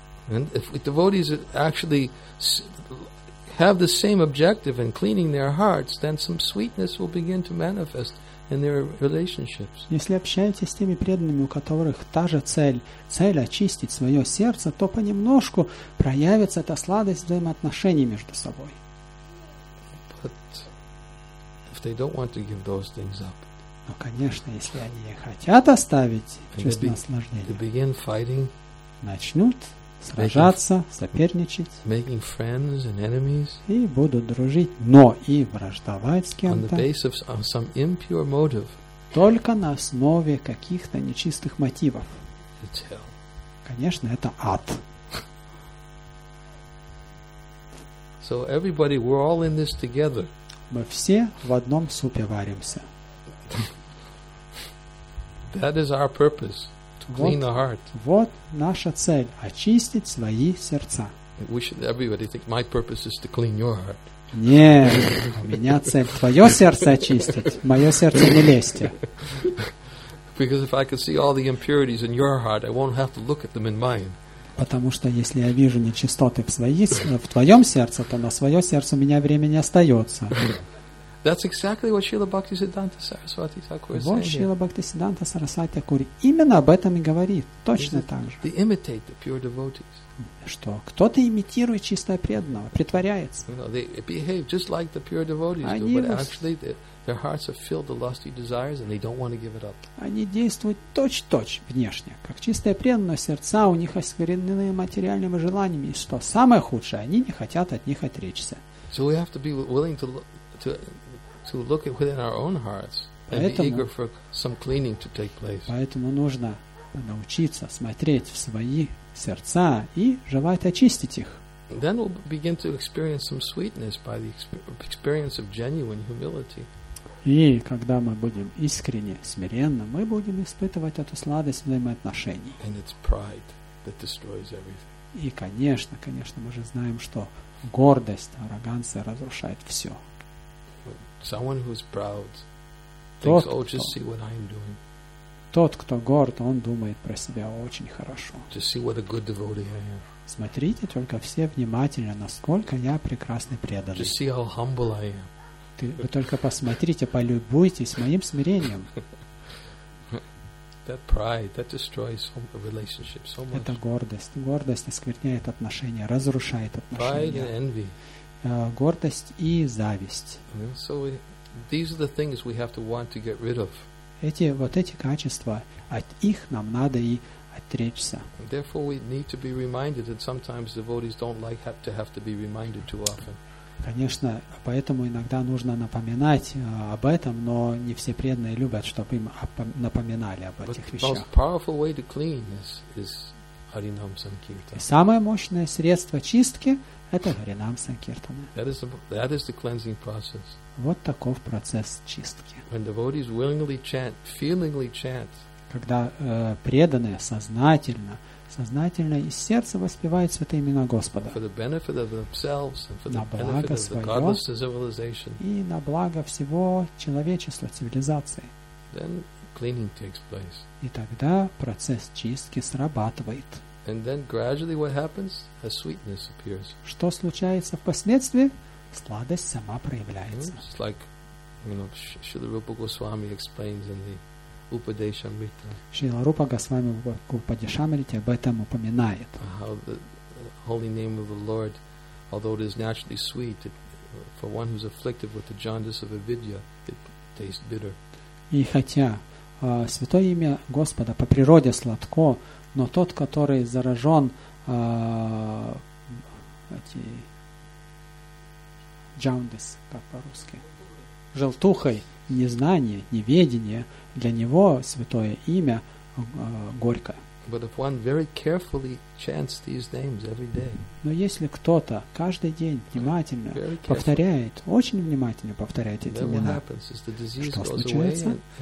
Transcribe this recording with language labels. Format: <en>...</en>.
<en>And if devotees actually have the same objective in cleaning their hearts, then some sweetness will begin to manifest in their relationships.</en> <ru>Если общаетесь с теми преданными, у которых та же цель очистить свое сердце, то понемножку проявится эта сладость взаимоотношений между собой.</ru> <en>But if they don't want to give those things up.</en> <ru>Но, конечно, если они не хотят оставить чувство наслаждения,</ru> <en>they begin fighting,</en> <ru>начнут сражаться, соперничать,</ru> <en>making friends and enemies,</en> <ru>и будут дружить, но и враждовать с кем-то,</ru> <en>on the basis of some impure motive,</en> <ru>только на основе каких-то нечистых мотивов.</ru> <en>It's hell.</en> <ru>Конечно, это ад.</ru> <en>So everybody, we're all in this together.</en> <ru>Мы все в одном супе варимся.</ru> <en>That is our purpose. Clean the heart.</en> <ru>Вот наша цель – очистить свои сердца.</ru> <en>We should, everybody think my purpose is to clean your heart.</en> <ru>Нет, у меня цель – твое сердце очистить. Мое сердце не лезьте.</ru> <en>Because if I can see all the impurities in your heart, I won't have to look at them in mine.</en> <ru>Потому что если я вижу нечистоты в твоем сердце, то на свое сердце у меня времени остается.</ru> <en>That's exactly what Srila Bhaktisiddhanta Saraswati Thakur is saying.</en> <ru>Вот Srila Bhaktisiddhanta Saraswati Thakur именно об этом и говорит, точно так же.</ru> <en>They imitate the pure devotees.</en> <ru>Что кто-то имитирует чистое преданного, притворяется.</ru> <en>You know, they behave just like the pure devotees</en> <ru>они</ru> <en>do, but actually their hearts are filled with lusty desires and they don't want to give it up.</en> <ru>Они действуют точь-в-точь внешне, как чистое преданное, сердца у них осквернены материальными желаниями, и что самое худшее, они не хотят от них отречься.</ru> <en>So we have to be willing to look at within our own hearts and</en> <ru>поэтому,</ru> <en>be eager for some cleaning to take place.</en> <ru>Поэтому нужно научиться смотреть в свои сердца и желать очистить их.</ru> <en>Then we'll begin to experience some sweetness by the experience of genuine humility.</en> <ru>И когда мы будем искренне, смиренно, мы будем испытывать эту сладость взаимоотношений.</ru> <en>And it's pride that destroys everything.</en> <ru>И, конечно, мы же знаем, что гордость, ароганция разрушает все.</ru> <en>Someone who is proud thinks, oh, just see what I'm doing.</en> <ru>Тот, кто горд, он думает про себя очень хорошо.</ru> <en>Just see what a good devotee I am.</en> <ru>Смотрите только все внимательно, насколько я прекрасный преданный.</ru> <en>Just see how humble I am.</en> <ru>Вы только посмотрите, полюбуйтесь моим смирением.</ru> <en>That pride, that destroys relationships so much.</en> <ru>Это гордость. Гордость оскверняет отношения, разрушает отношения.</ru> <en>Pride and envy.</en> <ru>Гордость и зависть.</ru> <en>So we, these are the things we have to want to get rid of.</en> <ru>Эти, вот эти качества, от их нам надо и отречься.</ru> <en>Therefore, we need to be reminded that sometimes devotees don't like to have to be reminded too often.</en> <ru>Конечно, поэтому иногда нужно напоминать об этом, но не все преданные любят, чтобы им напоминали об этих вещах.</ru> <en>But the most powerful way to clean is Харинам Санкиртана.</en> <ru>Самое мощное средство чистки – это Харинам Санкиртана.</ru> <en>That is the cleansing process.</en> <ru>Вот таков процесс чистки.</ru> <en>When devotees willingly chant, feelingly chant.</en> <ru>Когда преданные сознательно, сознательно из сердца воспевают святые имена Господа.</ru> <en>For the benefit of themselves and for</en> <ru>на</ru> <en>the benefit of the godless civilization.</en> <ru>И на благо всего человечества, цивилизации.</ru> <en>Then cleaning takes place.</en> <ru>И тогда процесс чистки срабатывает.</ru> <en>And then gradually what happens? A sweetness appears.</en> <ru>Что случается впоследствии? Сладость сама проявляется.</ru> <en>It's like, you know, Srila Rupa Goswami explains in the Upadeshamrita.</en> <ru>Srila Rupa Goswami в Упадешамрите об этом упоминает.</ru> <en>How the holy name of the Lord, although it is naturally sweet, it, for one who is afflicted with the jaundice of avidya, it tastes bitter.</en> <ru>И хотя святое имя Господа по природе сладко, но тот, который заражен эти jaundice, как по-русски, желтухой, незнание, неведение, для него святое имя горько.</ru> <en>But if one very carefully chants these names every day,</en> <ru>но если кто-то каждый день внимательно повторяет, очень внимательно повторяет эти имена, что случается?</ru>